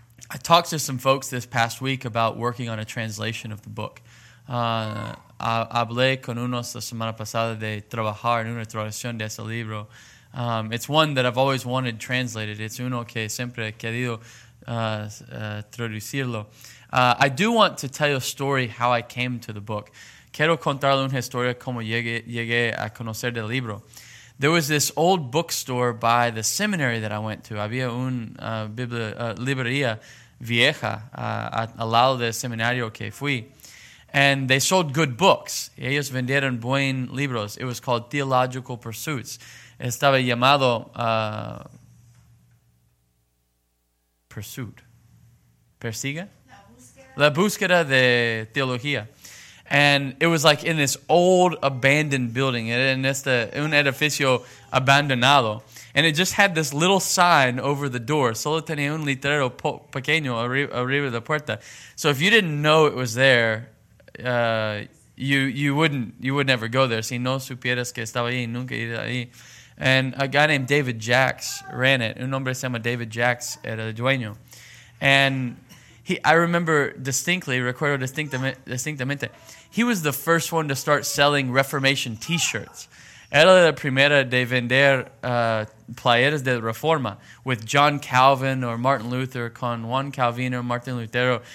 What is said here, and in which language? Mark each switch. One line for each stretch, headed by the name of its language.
English: I talked to some folks this past week about working on a translation of the book.
Spanish: Hablé con unos la semana pasada de trabajar en una traducción de este libro.
English: It's one that I've always wanted translated. It's
Spanish: uno que siempre he querido traducirlo.
English: I do want to tell you a story how I came to the book.
Spanish: Quiero contarle una historia como llegué a conocer del libro.
English: There was this old bookstore by the seminary that I went to.
Spanish: Había una librería vieja al lado del seminario que fui.
English: And they sold good books.
Spanish: Ellos vendieron buen libros.
English: It was called Theological Pursuits.
Spanish: Estaba llamado Pursuit. Persiga? La búsqueda de teología.
English: And it was like in this old abandoned building,
Spanish: en este, un edificio abandonado.
English: And it just had this little sign over the door.
Spanish: Solo tenía un letrero pequeño arriba de la puerta.
English: So if you didn't know it was there, you would never go there.
Spanish: Si no supieras que estaba ahí, nunca iría ahí.
English: And a guy named David Jacks ran it.
Spanish: Un hombre se llama David Jacks era el dueño.
English: And I remember distinctly,
Spanish: recuerdo distintamente,
English: he was the first one to start selling Reformation t-shirts.
Spanish: Era la primera de vender playeras de Reforma
English: with John Calvin or Martin Luther,
Spanish: con Juan Calvino or Martin Lutero.